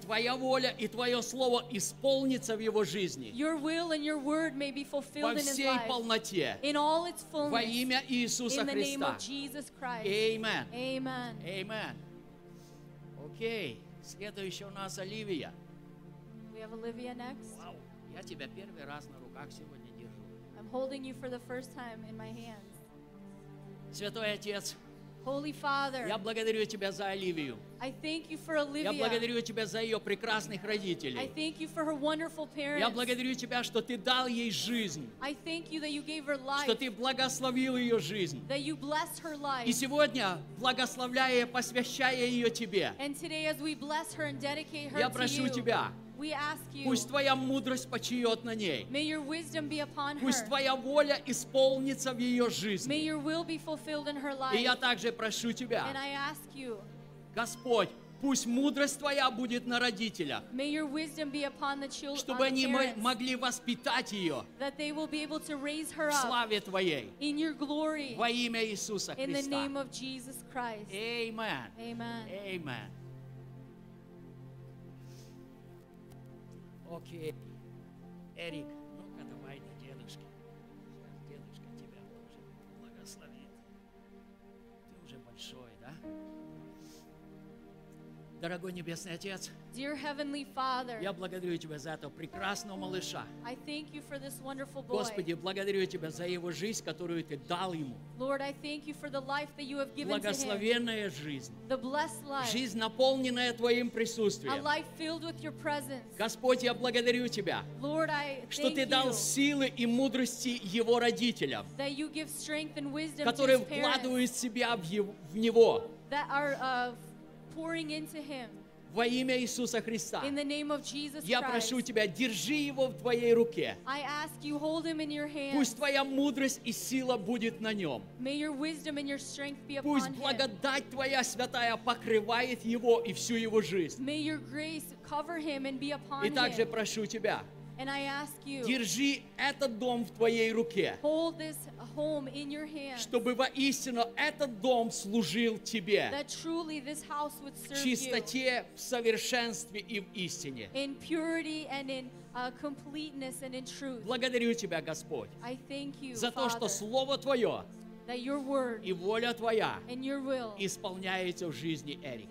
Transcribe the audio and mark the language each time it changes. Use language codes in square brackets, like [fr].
[ru] Твоя воля и твое слово исполнится в его жизни. [en] Your will and your word may be fulfilled in his life. [ru] Во всей полноте. [en] In all its fullness. [ru] Во имя Иисуса Христа. [en] In the name of Jesus Christ. Amen. Amen. [ru] Amen. Окей. Следующая у нас Оливия. [en] We have Olivia next. [ru] Вау. Я тебя первый раз на руках сегодня держу. [en] I'm holding you for the first time in my hands. [ru] Святой Отец. [en] Holy Father, [ru] я благодарю тебя за Оливию. [en] I thank you for Olivia. [ru] Я благодарю тебя за ее прекрасных родителей. [en] I thank you for her wonderful parents. [ru] Я благодарю тебя, что ты дал ей жизнь. [en] I thank you that you gave her life. [ru] Что ты благословил ее жизнь. [en] That you blessed her life. [ru] И сегодня, благословляя и посвящая ее тебе, [en] and today as we bless her and dedicate her [ru] я прошу тебя, [en] we ask you, [ru] пусть твоя мудрость почиет на ней. [en] May your wisdom be upon her. [ru] Пусть твоя воля исполнится в ее жизни. [en] May your will be fulfilled in her life. [ru] И я также прошу тебя, [en] and I ask you, [ru] Господь, пусть мудрость твоя будет на родителях. [en] May your wisdom be upon the children, [ru] чтобы они [en] parents, [ru] могли воспитать ее, [en] that they will be able to raise her up, [ru] в славе твоей, [en] in your glory, [ru] во имя Иисуса Христа. [en] In the name of Jesus Christ. Amen. Amen. Amen. [ru] Окей. Эрик, ну-ка давай на дедушке. Дедушка тебя тоже благословит. Ты уже большой, да? Дорогой Небесный Отец, [en] dear Heavenly Father, [ru] я благодарю тебя за этого прекрасного малыша. [en] I thank you for this wonderful boy. [ru] Господи, благодарю тебя за его жизнь, которую ты дал ему. [en] Lord, I thank you for the life that you have given to him. [ru] Благословенная жизнь. [en] The blessed life. [ru] Жизнь, наполненная твоим присутствием. [en] A life filled with your presence. [ru] Господь, я благодарю тебя, [en] Lord, I thank [ru] что ты дал [en] you, [ru] силы и мудрости его родителям, [en] that you give strength and wisdom [ru] которые [en] to his [ru] вкладывают [en] parents, [ru] себя в, его, в него. [en] That are, pouring into him. [ru] Во имя Иисуса Христа. [en] In the name of Jesus Christ. [ru] Я прошу тебя, держи его в твоей руке. [en] I ask you, hold him in your hands. [ru] Пусть твоя мудрость и сила будет на нем. [en] May your wisdom and your strength be upon him. [ru] Пусть благодать твоя святая покрывает его и всю его жизнь. [en] May your grace cover him and be upon [ru] him. И также прошу тебя. [en] And I ask you, [ru] держи этот дом в твоей руке. [en] Hold this home in your hands. [ru] Чтобы воистину этот дом служил тебе. [en] That truly this house would serve you. [ru] В чистоте, в совершенстве и в истине. [en] In purity and in completeness and in truth. [ru] Благодарю тебя, Господь. [en] I thank you, [ru] за то, что слово твое, [en] that your word, [ru] и воля твоя, [en] and your will, [ru] исполняется в жизни Эрик.